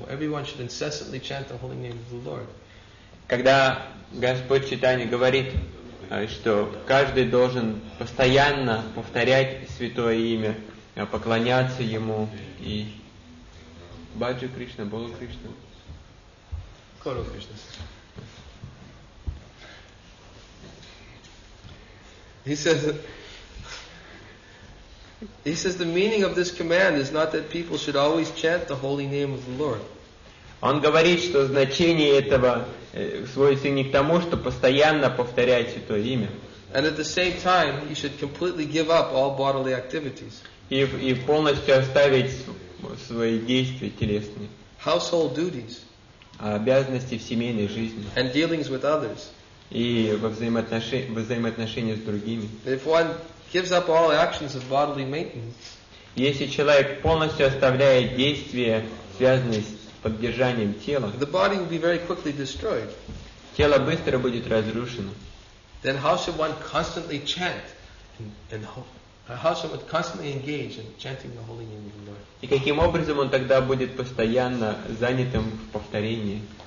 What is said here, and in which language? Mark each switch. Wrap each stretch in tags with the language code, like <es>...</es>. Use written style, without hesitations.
<en>Everyone should incessantly chant the holy name of the Lord.</en> <ru>Когда Господь Чайтанья говорит, что каждый должен постоянно повторять святое имя, поклоняться ему и</ru> <bn>Баджо Кришна, Боло Кришна. Коро Кришна.</bn> <en>He says the meaning of this command is not that people should always chant the holy name of the Lord.</en> <ru>Он говорит, что значение этого сводится не к тому, что постоянно повторять святое имя.</ru> <en>And at the same time, you should completely give up all bodily activities.</en> <ru>И полностью оставить свои действия телесные.</ru> <en>Household duties.</en> <ru>Обязанности в семейной жизни.</ru> <en>And dealings with others.</en> <ru>И взаимоотношения с другими.</ru> <en>If one gives up all actions of bodily maintenance.</en> <ru>Если человек полностью оставляет действия, связанные с поддержанием тела,</ru> <en>the body will be very quickly destroyed.</en> <ru>Тело быстро будет разрушено.</ru> <en>Then how should one constantly chant and how should one constantly engage in chanting the holy name of the Lord?</en> <ru>И каким образом он тогда будет постоянно занятым в повторении?</ru>